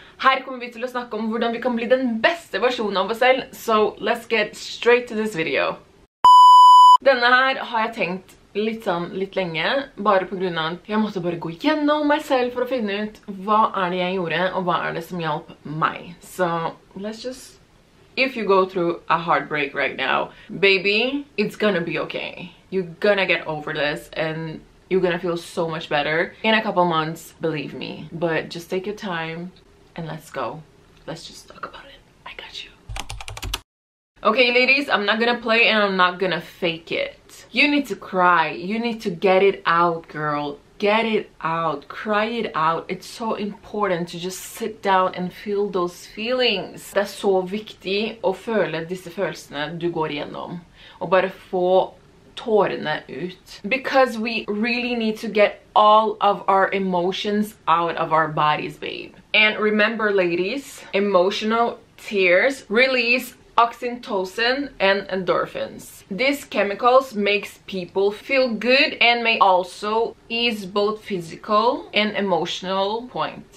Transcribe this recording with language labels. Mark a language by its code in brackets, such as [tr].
[no] Her kommer vi til å snakke om hvordan vi kan bli den beste versjonen av oss selv, [en] so let's get straight to this video. [no] Denne her har jeg tenkt litt sånn, litt lenge, bare på grunn av at jeg måtte bare gå gjennom meg selv for å finne ut hva det jeg gjorde, og hva det som hjalp meg. [en] So, let's just... If you go through a heartbreak right now, baby, it's gonna be okay. You're gonna get over this, and you're gonna feel so much better in a couple months, believe me. But just take your time, and let's go. Let's just talk about it. I got you. Okay, ladies, I'm not gonna play, and I'm not gonna fake it. You need to cry. You need to get it out, girl. Get it out. Cry it out. It's so important to just sit down and feel those feelings. [no] Det så viktig å føle disse følelsene du går igjennom. Og bare få tårene ut. [en] Because we really need to get all of our emotions out of our bodies, babe. And remember, ladies, emotional tears release oxytocin and endorphins. These chemicals makes people feel good and may also ease both physical and emotional points.